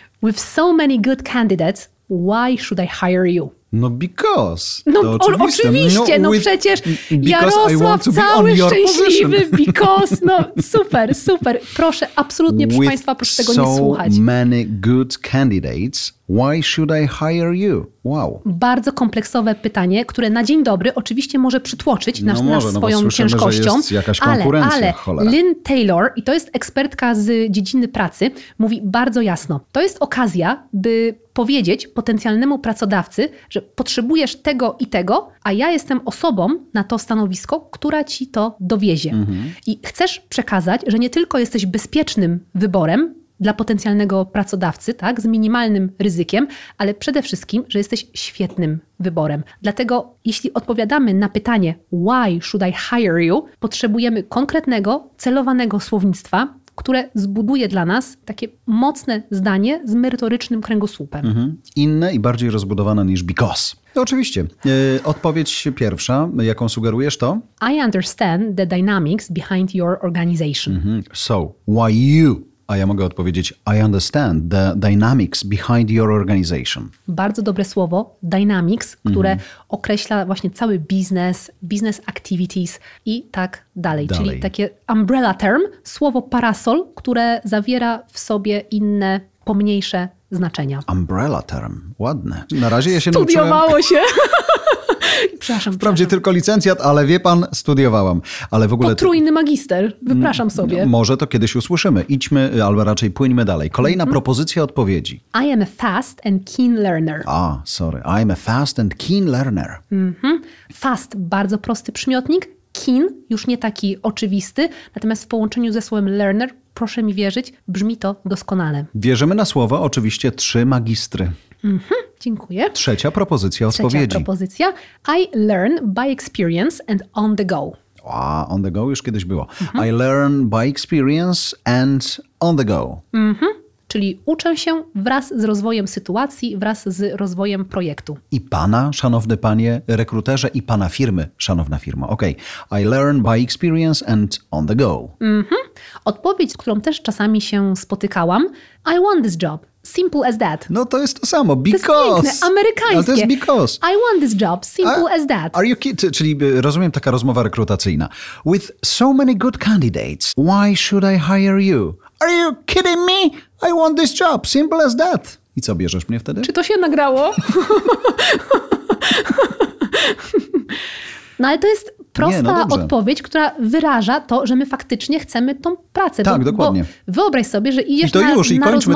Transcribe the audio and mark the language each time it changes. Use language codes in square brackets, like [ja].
[en] With so many good candidates, why should I hire you? [pl] No because. No oczywiście, no, with, no przecież Jarosław cały szczęśliwy, because, no super, super. Proszę, absolutnie [en] with [pl] proszę Państwa, proszę tego [en] so [pl] nie słuchać. [en] So many good candidates, why should I hire you? Wow. [pl] Bardzo kompleksowe pytanie, które na dzień dobry oczywiście może przytłoczyć nas, no może, nas swoją no ciężkością. Że jest jakaś konkurencja, ale Lynn Taylor, i to jest ekspertka z dziedziny pracy, mówi bardzo jasno. To jest okazja, by powiedzieć potencjalnemu pracodawcy, że potrzebujesz tego i tego, a ja jestem osobą na to stanowisko, która ci to dowiezie. Mhm. I chcesz przekazać, że nie tylko jesteś bezpiecznym wyborem dla potencjalnego pracodawcy, tak, z minimalnym ryzykiem, ale przede wszystkim, że jesteś świetnym wyborem. Dlatego jeśli odpowiadamy na pytanie [en] why should I hire you, [pl] potrzebujemy konkretnego, celowanego słownictwa, które zbuduje dla nas takie mocne zdanie z merytorycznym kręgosłupem. Mhm. Inne i bardziej rozbudowane niż because. To oczywiście. Odpowiedź pierwsza, jaką sugerujesz, to? [en] I understand the dynamics behind your organization. Mhm. So, why you? [pl] A ja mogę odpowiedzieć, [en] I understand the dynamics behind your organization. [pl] Bardzo dobre słowo, dynamics, które określa właśnie cały biznes, [en] business activities [pl] i tak dalej. Czyli takie umbrella term, słowo parasol, które zawiera w sobie inne, pomniejsze znaczenia. Umbrella term, ładne. Na razie ja się studiowało nauczyłem... Przepraszam. Wprawdzie tylko licencjat, ale wie pan, studiowałam. Ale w ogóle... Potrójny magister, wypraszam sobie. Może to kiedyś usłyszymy. Idźmy, albo raczej płyńmy dalej. Kolejna propozycja odpowiedzi. [en] I am a fast and keen learner. I am a fast and keen learner. Mm-hmm. [pl] Fast, bardzo prosty przymiotnik. Keen, już nie taki oczywisty. Natomiast w połączeniu ze słowem learner, proszę mi wierzyć, brzmi to doskonale. Wierzymy na słowo, oczywiście trzy magistry. Mm-hmm, dziękuję. Trzecia propozycja odpowiedzi. Trzecia propozycja. [en] I learn by experience and on the go. [pl] A, on the go już kiedyś było. Mm-hmm. [en] I learn by experience and on the go. Mm-hmm. [pl] Czyli uczę się wraz z rozwojem sytuacji, wraz z rozwojem projektu. I pana, szanowny panie rekruterze, i pana firmy, szanowna firma. Okej. [en] Okay. I learn by experience and on the go. Mm-hmm. [pl] Odpowiedź, z którą też czasami się spotykałam. [en] I want this job. Simple as that. [pl] No to jest to samo. Because. To jest piękne, amerykańskie. No to jest because. [en] I want this job. Simple as that. Are you kidding? [pl] Czyli rozumiem, taka rozmowa rekrutacyjna. [en] With so many good candidates, why should I hire you? Are you kidding me? I want this job. Simple as that. [pl] I co, bierzesz mnie wtedy? Czy to się nagrało? No ale to jest prosta odpowiedź, która wyraża to, że my faktycznie chcemy tą pracę. Tak, dokładnie. Bo wyobraź sobie, że idziesz na rozmowę. I to już, i kończmy